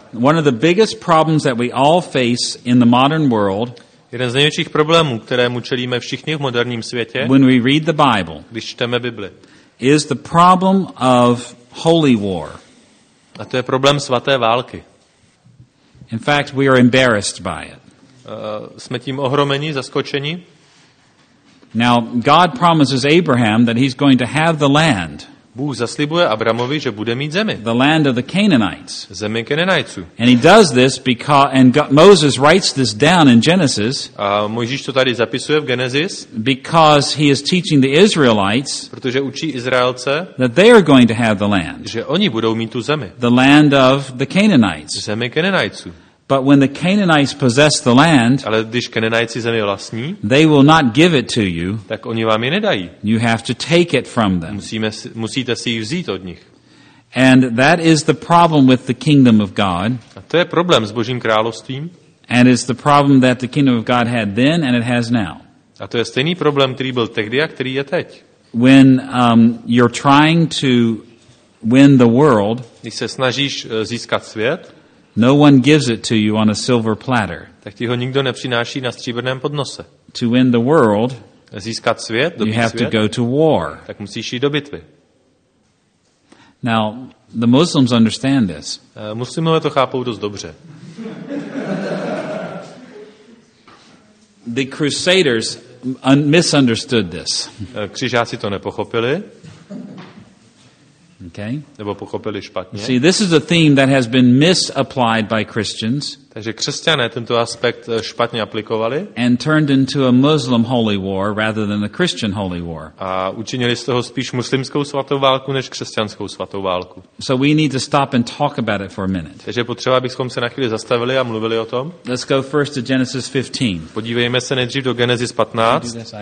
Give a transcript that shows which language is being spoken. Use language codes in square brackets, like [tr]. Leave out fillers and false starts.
[en] One of the biggest problems that we all face in the modern world. [cs] Jeden z největších problémů, kterému čelíme všichni v moderním světě. [en] When we read the Bible. [cs] Když čteme Bibli. [en] Is the problem of holy war. [cs] A to je problém svaté války. [en] In fact, we are embarrassed by it. [cs] Jsme tím ohromeni, zaskočeni. [en] Now, God promises Abraham that he's going to have the land. [cs] Bůh zaslibuje Abrahamovi, že bude mít zemi. [en] The land of the Canaanites. [cs] Zemi Kenanajců. [en] And he does this because and God, Moses writes this down in Genesis. [cs] A Mojžíš to tady zapisuje v Genesis. [en] Because he is teaching the Israelites. [cs] Protože učí Izraelce. [en] That they are going to have the land. [cs] Že oni budou mít tu zemi. [en] The land of the Canaanites. [cs] Zemi Kenanajců. [en] But when the Canaanites possess the land, [cs] ale když Kenanajci zemi vlastní, [en] they will not give it to you. [cs] Tak oni vám ji nedají. [en] You have to take it from them. [cs] Musíte si ji vzít od nich. [en] And that is the problem with the kingdom of God. [cs] A to je problém s Božím královstvím. [en] And it's the problem that the kingdom of God had then and it has now. [cs] A to je stejný problém, který byl tehdy a který je teď. [en] When you're trying to win the world, [cs] když se snažíš získat svět, [en] no one gives it to you on a silver platter. [cs] Tak ti ho nikdo nepřináší na stříbrném podnose. [en] To win the world, [cs] získat svět, [en] you have [cs] svět, [en] to go to war. [cs] Tak musíš jít do bitvy. [en] Now, the Muslims understand this. [cs] Muslimové to chápou dost dobře. [en] The crusaders misunderstood this. [cs] Křižáci to nepochopili. [en] Okay. [cs] Nebo pochopili špatně. [en] See, this is a theme that has been misapplied by Christians. [cs] Takže křesťané tento aspekt špatně aplikovali. [en] And turned into a Muslim holy war rather than a Christian holy war. [cs] A učinili z toho spíš muslimskou svatou válku než křesťanskou svatou válku. [en] So we need to stop and talk about it for a minute. [cs] Takže potřeba bychom se na chvíli zastavili a mluvili o tom. [en] Let's go first to Genesis 15. [cs] Podívejme se nejdřív do Genesis 15.